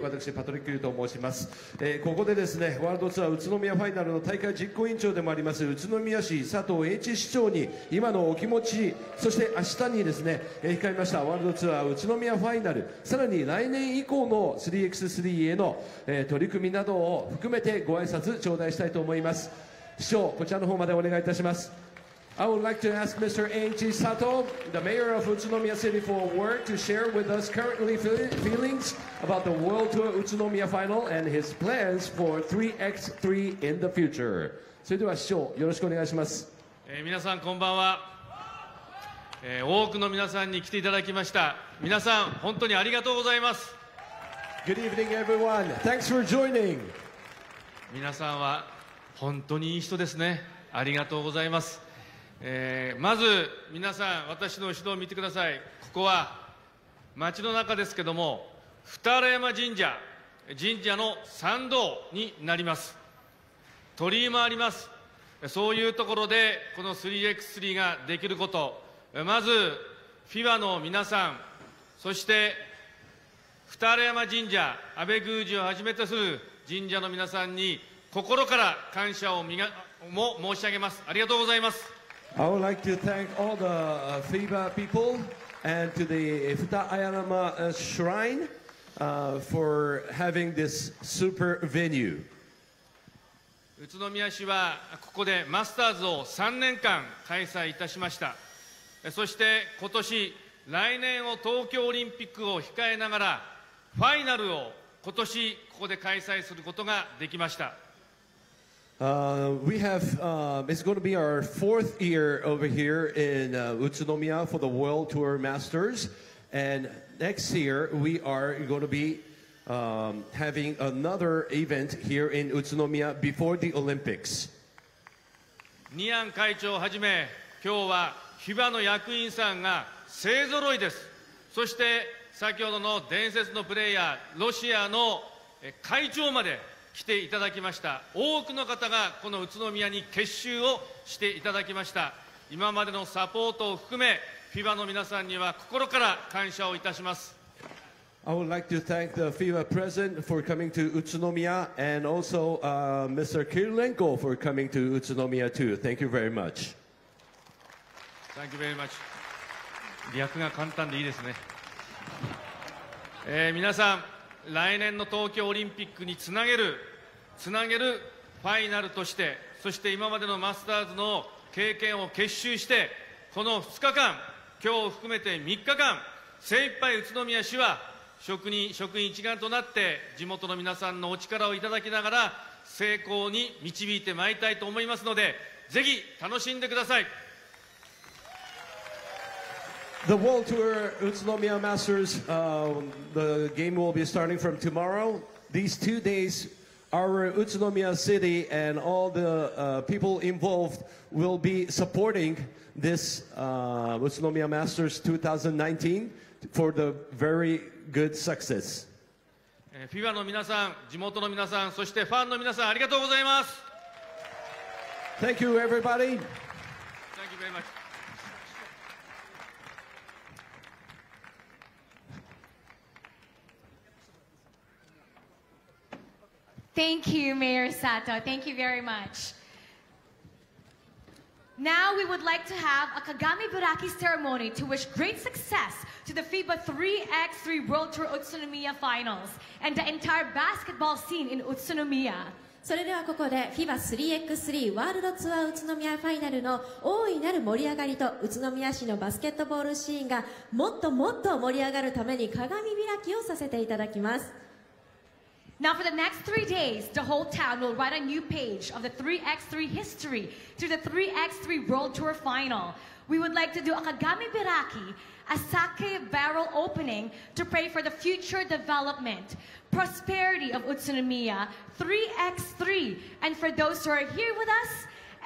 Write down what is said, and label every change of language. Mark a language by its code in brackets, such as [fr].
[ja] 私パトリック・ユーと申します。ここでですね、ワールドツアー宇都宮ファイナルの大会実行委員長でもあります宇都宮市佐藤栄一市長に今のお気持ち、そして明日にですね、控えましたワールドツアー宇都宮ファイナル、さらに来年以降の 3x3 への、取り組みなどを含めてご挨拶頂戴したいと思います。市長、こちらの方までお願いいたします。 [en] I would like to ask Mr. Eiichi Sato, the mayor of Utsunomiya City, for a word to share with us currently feelings about the World Tour Utsunomiya Final and his plans for 3x3 in the future. [ja] それでは市長、よろしくお願いします。皆さん、こんばんは。多くの皆さんに来ていただきました。皆さん、本当にありがとうございます。 [en] Good evening, everyone. Thanks for joining. [ja] 皆さんは本当にいい人ですね。ありがとうございます。まず皆さん私の後ろを見てください。ここは町の中ですけども二荒山神社の参道になります。鳥居もあります。そういうところでこの 3x3 ができること、まず FIBA の皆さん、そして二荒山神社安倍宮司をはじめとする神社の皆さんに心から感謝をも申し上げます。ありがとうございます。 [en] I would like to thank all the FIBA people and to the Futa Ayanama Shrine for having this super venue. [ja] 宇都宮市はここでマスターズを3年間開催いたしました。そして今年、来年を東京オリンピックを控えながらファイナルを今年ここで開催することができました。 [en] It's going to be our fourth year over here in Utsunomiya for the World Tour Masters. And next year, we are going to be having another event here in Utsunomiya before the Olympics. [ja] Nian 会長をはじめ、今日は FIBA の役員さんが勢ぞろいです。そして先ほどの伝説のプレーヤー、ロシアの会長まで来ていただきました。多くの方がこの宇都宮に結集をしていただきました。今までのサポートを含め、FIBA の皆さんには心から感謝をいたします。 [en] I would like to thank the FIBA president for coming to Utsunomiya and also Mr. Kirilenko for coming to Utsunomiya too. Thank you very much. Thank you very much. [ja] 略が簡単でいいですね。皆さん、来年の東京オリンピックにつなげるファイナルとして、そして今までのマスターズの経験を結集して、この2日間、今日を含めて3日間、精一杯宇都宮市は職員一丸となって、地元の皆さんのお力をいただきながら、成功に導いてまいりたいと思いますので、ぜひ楽しんでください。 [en] The World Tour Utsunomiya Masters, the game will be starting from tomorrow. These 2 days, our Utsunomiya City and all the people involved will be supporting this Utsunomiya Masters 2019 for the very good success. [ja] FIBA の皆さん、地元の皆さん、そしてファンの皆さん、ありがとうございます。 [en] Thank you, everybody. Thank you very much. Thank you, Mayor Sato. Thank you very much. Now we would like to have a Kagami Buraki ceremony to wish great success to the FIBA 3x3 World Tour Utsunomiya Finals and the entire basketball scene in Utsunomiya. [ja] それではここで FIBA 3x3 ワールドツアー宇都宮ファイナルの大いなる盛り上がりと宇都宮市のバスケットボールシーンがもっともっと盛り上がるために鏡開きをさせていただきます。 [en] Now for the next 3 days, the whole town will write a new page of the 3x3 history through the 3x3 World Tour Final. We would like to do a Kagami Biraki, a sake barrel opening to pray for the future development, prosperity of Utsunomiya, 3x3, and for those who are here with us